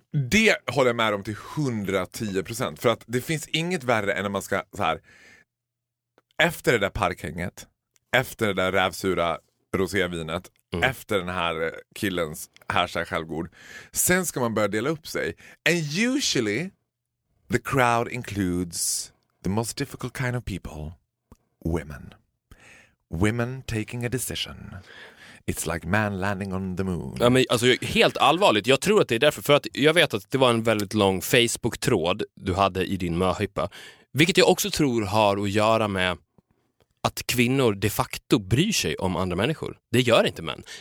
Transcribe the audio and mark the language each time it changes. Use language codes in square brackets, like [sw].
[sv] Det håller jag med om till 110%. För att det finns inget värre än när man ska så här. Efter det där parkhänget, efter det där rävsura rosévinet, efter den här killens härsar självgod, sen ska man börja dela upp sig. [en] And usually the crowd includes the most difficult kind of people, women. Women taking a decision. It's like man landing on the moon. [sv] Ja, men, alltså, helt allvarligt, jag tror att det är därför. För att jag vet att det var en väldigt lång Facebook-tråd du hade i din möhyppa. Vilket jag också tror har att göra med att kvinnor de facto bryr sig om andra människor. Det gör inte män.